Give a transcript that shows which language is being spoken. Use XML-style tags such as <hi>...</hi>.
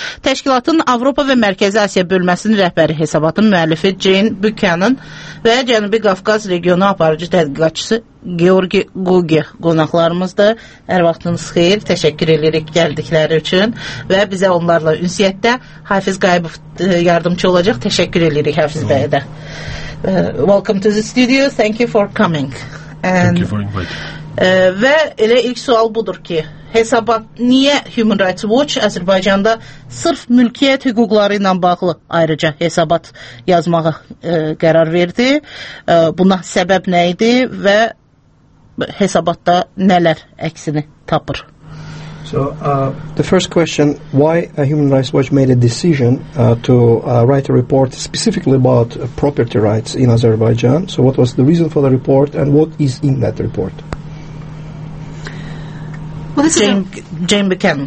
<az>Təşkilatın Avropa və Mərkəzi Asiya bölməsinin rəhbəri hesabatın müəllifi Jane Buchanan və Cənubi Qafqaz regionu aparıcı tədqiqatçısı Georgi Gugi qonaqlarımızdır. Hər vaxtınız xeyir, təşəkkür edirik gəldikləri üçün və bizə onlarla ünsiyyətdə Hafiz Qayıbov yardımcı olacaq. Təşəkkür edirik Hafiz bəyə də.</az> <en>Welcome to the studio, thank you for coming. Thank you for inviting.</en> <az>Və elə ilk sual budur ki, hesabat niyə Human Rights Watch Azərbaycanda sırf mülkiyyət hüquqları ilə bağlı ayrıca hesabat yazmağa qərar verdi? Buna səbəb nə idi və hesabatda nələr əksini tapır?</az> <en>So, the first question, why a Human Rights Watch made a decision to write a report specifically about property rights in Azerbaijan? So, what was the reason for the report and what is in that report? Well, this Jane Buchanan.</en>